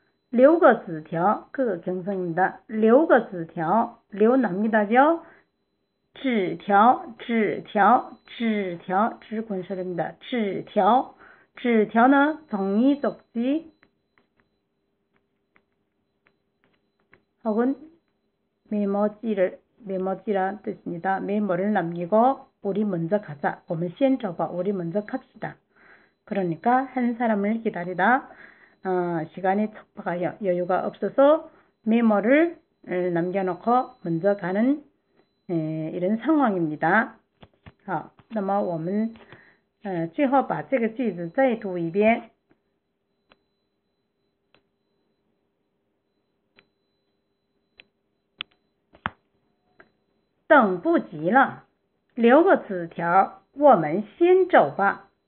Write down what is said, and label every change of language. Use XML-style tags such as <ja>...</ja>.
<zh>留个纸条，各个轻声音的，留个纸条，留哪里的条？纸条，纸条，纸条，纸滚舌音的，纸条，纸条呢？同一组的，好，问，眉毛记着。</zh> <ko>메모지란 뜻입니다. 메모를 남기고 우리 먼저 가자.</ko> <zh>我们 先 走吧.</zh> <ko>우리 먼저 갑시다. 그러니까 한 사람을 기다리다. 시간이 촉박하여 여유가 없어서 메모를 남겨놓고 먼저 가는 이런 상황입니다.</ko> <zh>好, 那么 我们 最后 把 这个 句子 再 读 一遍. 等不及了，留个纸条，我们先走吧。</zh>